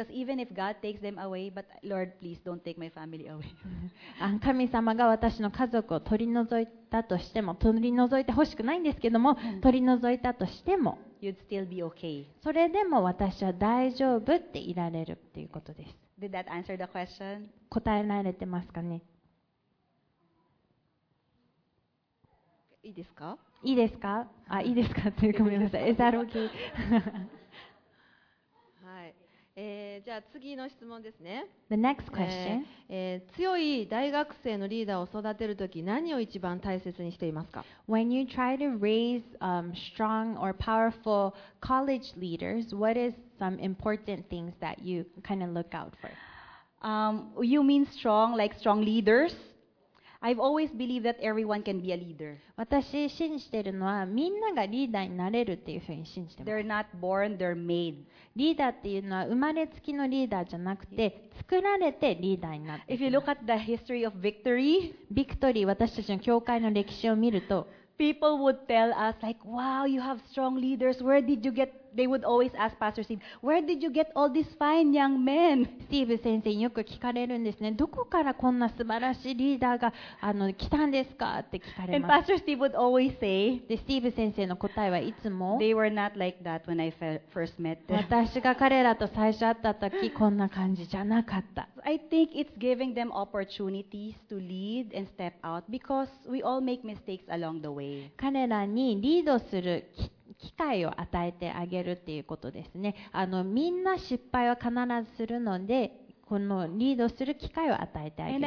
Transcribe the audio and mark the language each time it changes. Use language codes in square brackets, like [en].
[en] Because even if God takes them away, but Lord, please don't take my family away. [ja] 神様が私の家族を取り除いたとしても、取り除いてほしくないんですけども、取り除いたとしても、 [en] You'd still be okay. [ja] それでも私は大丈夫っていられるということです。 [en] Did that answer the question? [ja] 答えられてますかね。いいですか？いいですか？あ、いいですか？というか、ごめんなさい。 [en] Is that okay? [ja] はい。じゃあ次の質問ですね。 [en] The next question. [ja] 強い大学生のリーダーを育てるとき、何を一番大切にしていますか？ [en] When you try to raise strong or powerful college leaders, what is some important things that you kind of look out for? You mean strong, like strong leaders? I've always believed that everyone can be a leader. [ja] 私信じてるのはみんながリーダーになれるっていうふうに信じてます。 [en] They're not born, they're made. [ja] リーダーっていうのは生まれつきのリーダーじゃなくて作られてリーダーになってます。 [en] If you look at the history of victory, [ja] ビクトリー私たちの教会の歴史を見ると、 [en] people would tell us like, "Wow, you have strong leaders. Where did you get?" They would always ask Pastor Steve, "Where did you get all these fine young men?" [ja] Steve 先生によく聞かれるんですね。どこからこんな素晴らしいリーダーが来たんですかって聞かれます。 [en] And Pastor Steve would always say, [ja] で、Steve 先生の答えはいつも、 [en] They were not like that when I first met them. [ja] 私が彼らと最初会った時こんな感じじゃなかった。 [en] I think it's giving them opportunities to lead and step out because we all make mistakes along the way. [ja] 彼らにリードする機会を与えてあげるっていうことですね。みんな失敗は必ずするので、このリードする機会を与えてあげる。